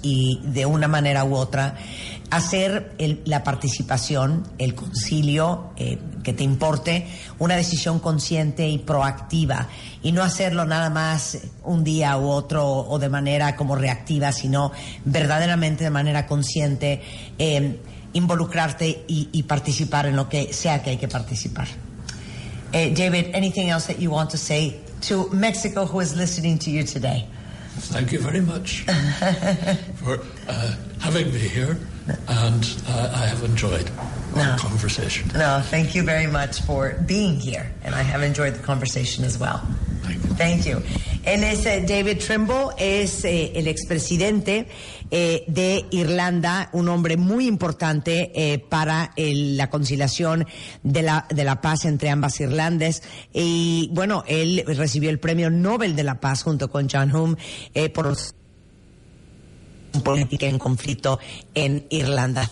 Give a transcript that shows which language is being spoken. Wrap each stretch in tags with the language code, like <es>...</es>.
<es>Y de una manera u otra, hacer la participación, el concilio, que te importe, una decisión consciente y proactiva. Y no hacerlo nada más un día u otro o de manera como reactiva, sino verdaderamente de manera consciente, involucrarte y participar en lo que sea que hay que participar.</es> <en>David, anything else that you want to say to Mexico, who is listening to you today? Thank you very much for having me here, and I have enjoyed our conversation. No, thank you very much for being here, and I have enjoyed the conversation as well. Thank you. Thank you.</en> <es>Él es David Trimble, es el expresidente de Irlanda, un hombre muy importante para la conciliación de la paz entre ambas Irlandas. Y bueno, él recibió el premio Nobel de la Paz junto con John Hume por política en conflicto en Irlanda.</es>